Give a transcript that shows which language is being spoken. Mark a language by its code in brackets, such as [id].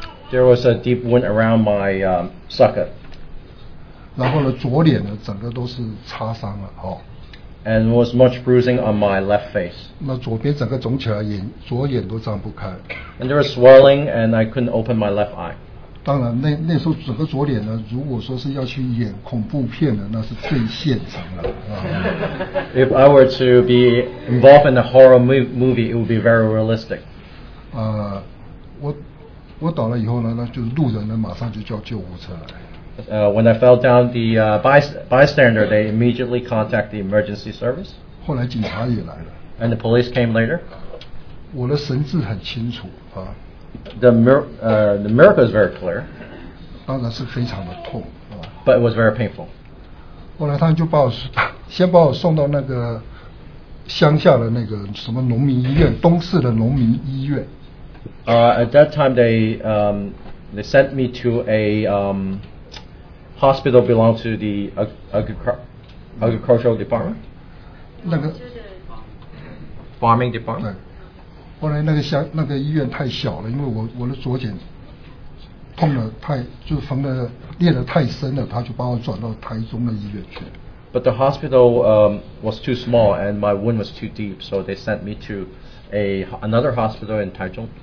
[en] There was a deep wound around my socket. [zh] 然后呢，左脸呢整个都是擦伤了哦。 [en] And was much bruising on my left face. [zh] 那左边整个肿起来，左眼都张不开。 [en] And there was swelling, and I couldn't open my left eye. [zh] 当然那时候整个左脸呢，如果说是要去演恐怖片的，那是最现成的、 [en] If I were to be involved in a horror movie, it would be very realistic. [zh] 我倒了以后呢，那就路人呢马上就叫救护车来。 [en] When I fell down, the bystander, they immediately contact the emergency service. [zh] 后来警察也来了。 [en] And the police came later. [zh] 我的神志很清楚啊。 [en] The miracle is very clear. [zh] 当然是非常的痛、 [en] But it was very painful. [zh] 后来他们就把我先把我送到那个乡下的那个什么农民医院，东市的农民医院。 [en] At that time, they sent me to a hospital belong to the agricultural department. 那个 farming department. [zh] 对，后来那个医院太小了，因为我的左肩痛的太，就缝的裂的太深了，他就把我转到台中的医院去。 [en] But the hospital was too small and my wound was too deep, so they sent me to another hospital in Taichung.